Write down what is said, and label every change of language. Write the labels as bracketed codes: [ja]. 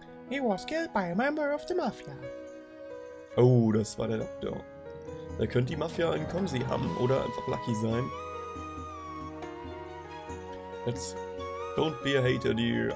[en] He was killed by a member of the Mafia. [de] Oh, das war der Doktor. Da könnte die Mafia einen Komsi haben oder einfach lucky sein. [en] Let's don't be a hater, dear.